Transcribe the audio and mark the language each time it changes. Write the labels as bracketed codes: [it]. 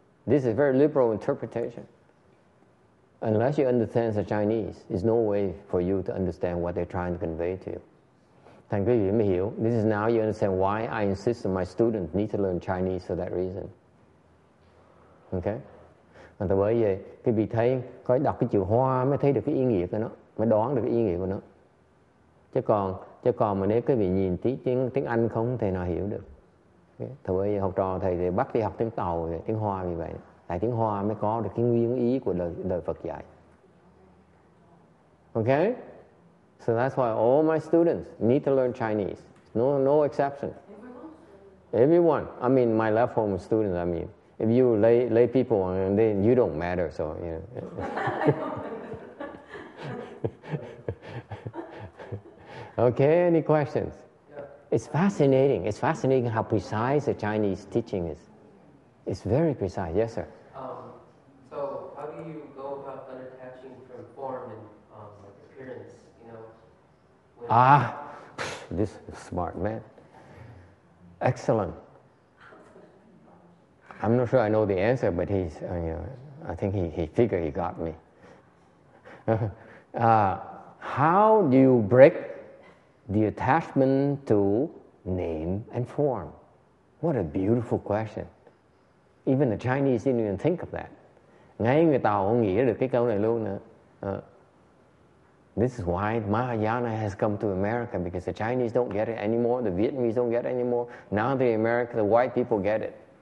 [en] This is a very liberal interpretation. Unless you understand the Chinese, there's no way for you to understand what they're trying to convey to you. Thank you, Yim Hiu. This is now you understand why I insist that my students need to learn Chinese for that reason. Okay? [vi] Và từ bởi vậy, cái vị thấy, có đọc cái chữ hoa mới thấy được cái ý nghĩa của nó, mới đoán được cái ý nghĩa của nó. Chứ còn mà nếu cái vị nhìn tiếng Anh không thể nào hiểu được. Okay? Từ bởi vậy, học trò thầy thì bắt đi học tiếng Tàu, vậy, tiếng Hoa vì vậy. Tại tiếng Hoa mới có được cái nguyên ý của lời Phật dạy. [en] Okay? So that's why all my students need to learn Chinese. No exception. Everyone? I mean, my left home students, I mean. If you lay people, and then you don't matter, so, you know. Okay, any questions? Yeah. It's fascinating. It's fascinating how precise the Chinese teaching is. It's very precise. Yes, sir? So how do you go about unattaching from form and appearance? Ah, this is smart man. Excellent. I'm not sure I know the answer, but he's, I think he figured he got me. How do you break the attachment to name and form? What a beautiful question. Even the Chinese didn't even think of that. [vi] Ngay người Tàu không nghĩ được cái câu này luôn nữa. [en] This is why Mahayana has come to America, because the Chinese don't get it anymore, the Vietnamese don't get it anymore. Now the America, the white people get it.